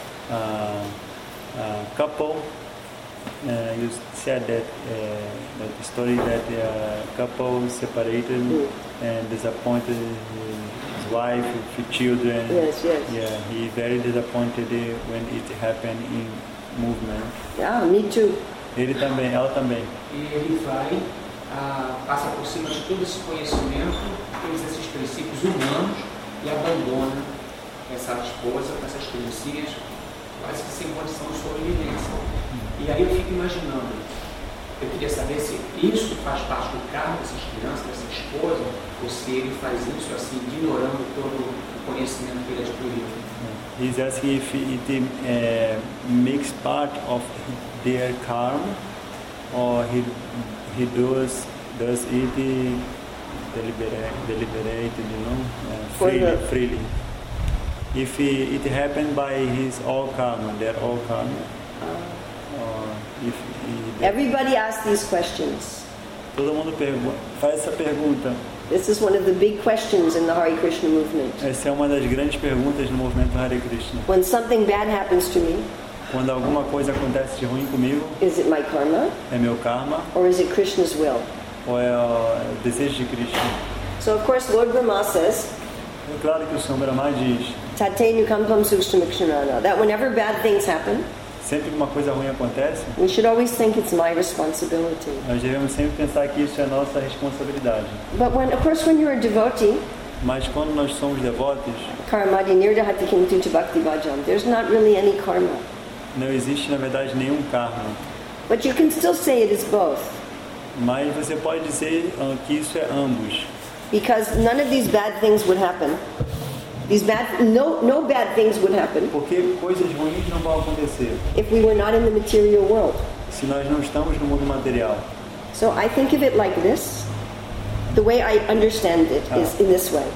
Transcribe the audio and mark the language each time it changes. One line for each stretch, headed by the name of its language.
English: couple, you said that the story that the couple separated and disappointed his wife with his children. Yes, yes. Yeah, he very disappointed when it happened in movement. Yeah, me too.
Portuguese: Ele também, ela também. E ele vai, passa por cima de todo esse conhecimento, todos esses princípios humanos, e abandona essa esposa com essas criancinhas, quase que sem condição de sobrevivência. E aí eu fico imaginando, eu queria saber se isso faz parte do karma dessas crianças, dessa esposa, ou se ele faz isso assim, ignorando todo o conhecimento que ele adquiriu.
English: He's asking if it makes part of their karma, or he does it deliberately, you know, freely. If it happened by his all karma, their all karma, or if everybody asks these questions.
Portuguese: Todo mundo faz essa pergunta.
English: This is one of the big questions in the Hare Krishna movement.
Portuguese: Essa é uma das grandes perguntas no movimento Hare Krishna.
English: When something bad happens to me,
Portuguese: quando alguma coisa acontece de ruim comigo,
English: is it my karma?
Portuguese: É meu karma?
English: Or is it Krishna's will?
Portuguese: Ou é o desejo de Krishna?
English: So of course Lord Brahma says,
Portuguese: é claro que o Senhor Brahma diz,
Sanskrit: Tate Nukampam Sukshma Kshanana,
English: that whenever bad things happen,
Portuguese: sempre que uma coisa ruim acontece,
English: we should always think it's my responsibility.
Portuguese: Nós devemos sempre pensar que isso é nossa responsabilidade.
English: But when, of course, when you're a devotee,
Portuguese: mas quando nós somos devotos,
Sanskrit: karmadi nirdahati kintuti bhakti bhajam,
English: there's not really any karma.
Portuguese: Não existe, na verdade, nenhum karma.
English: But you can still say it is both.
Portuguese: Mas você pode dizer que isso é ambos.
English: Because none of these bad things would happen. No bad things would happen.
Portuguese: Porque coisas ruins não vão acontecer.
English: If we were not in the material world.
Portuguese: Se nós não estamos no mundo material.
English: So I think of it like this. The way I understand it is in this way.